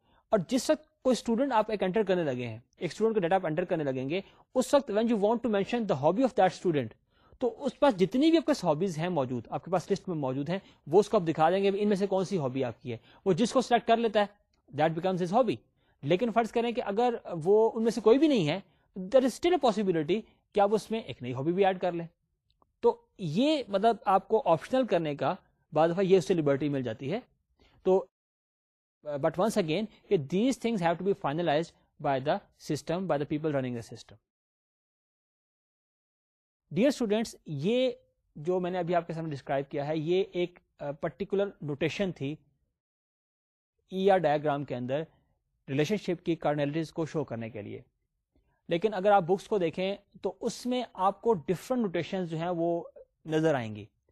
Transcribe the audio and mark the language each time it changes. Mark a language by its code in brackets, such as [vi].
[ur] اور جس وقت کوئی اسٹوڈنٹ آپ ایک انٹر کرنے لگے ہیں, ایک اسٹوڈنٹ کا ڈیٹا آپ انٹر کرنے لگیں گے, اس وقت [en] when you want to mention the hobby of that student, [ur] تو اس پاس جتنی بھی آپ کے ہابیز ہیں موجود, آپ کے پاس لسٹ میں موجود ہیں, وہ اس کو آپ دکھا دیں گے ان میں سے کون سی ہابی آپ کی ہے. وہ جس کو سلیکٹ کر لیتا ہے [en] That becomes his hobby. [ur] لیکن فرض کریں کہ اگر وہ ان میں سے کوئی بھی نہیں ہے, [en] there is still a possibility [ur] کہ آپ اس میں ایک نئی ہابی بھی ایڈ کر لیں. تو یہ مطلب آپ کو آپشنل کرنے کا بعض دفعہ یہ اس سے لبرٹی مل جاتی ہے. [en] تو but once again کہ these things have to be finalised by the system, by the people running the system. [ur] Dear students, یہ جو میں نے ابھی آپ کے سامنے ڈسکرائب کیا ہے یہ ایک پرٹیکولر نوٹیشن تھی ای آر ڈائگرام کے اندر ریلیشن شپ کی کارنلٹیز کو شو کرنے کے لیے. لیکن اگر آپ بکس کو دیکھیں تو اس میں آپ کو ڈفرنٹ نوٹیشنز جو ہیں وہ نظر آئیں گی.